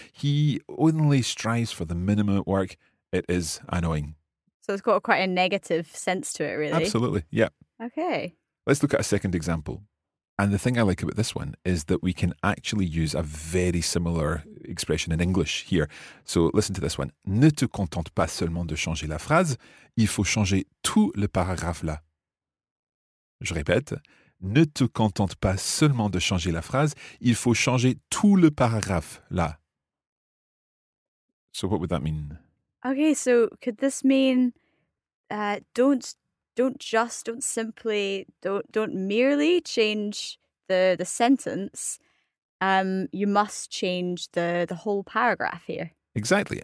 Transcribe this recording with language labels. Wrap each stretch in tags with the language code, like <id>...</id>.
<en>He only strives for the minimum at work. It is annoying. So, it's got quite a negative sense to it, really. Absolutely, yeah. Okay. Let's look at a second example. And the thing I like about this one is that we can actually use a very similar expression in English here. So, listen to this one.</en> <fr>Ne te contente pas seulement de changer la phrase. Il faut changer tout le paragraphe là. Je répète. Ne te contente pas seulement de changer la phrase, il faut changer tout le paragraphe là.</fr> <en>So what would that mean? Okay, so could this mean don't merely change the sentence. You must change the whole paragraph here. Exactly.</en>